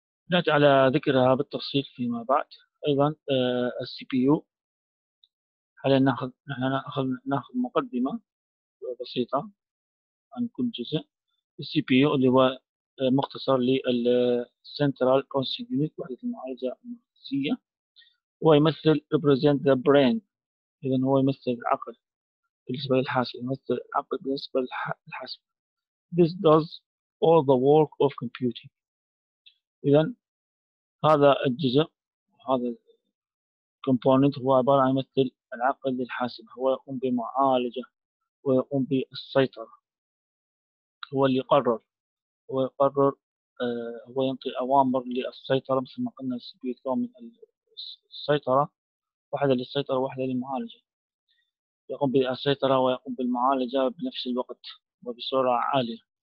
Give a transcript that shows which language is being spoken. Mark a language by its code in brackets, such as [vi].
[ar] نأتي على ذكرها بالتفصيل فيما بعد. أيضا الـ CPU، هل نأخذ مقدمة بسيطة عن كل جزء. الـ CPU اللي هو مختصر للـ Central Processing Unit، وحدة المعالجة المركزية، هو يمثل [en] represent the brain، [ar] إذا هو يمثل العقل بالنسبة للحاسب، يمثل العقل بالنسبة للحاسب. [en] This does all the work of computing. [ar] إذا هذا الجزء وهذا الكومبوننت هو عبارة عن يمثل العقل للحاسب، هو يقوم بمعالجة ويقوم بالسيطرة، هو اللي يقرر، هو يقرر هو ينطي أوامر للسيطرة مثل ما قلنا من السيطرة، واحدة للسيطرة واحدة للمعالجة، يقوم بالسيطرة ويقوم بالمعالجة بنفس الوقت وبسرعة عالية.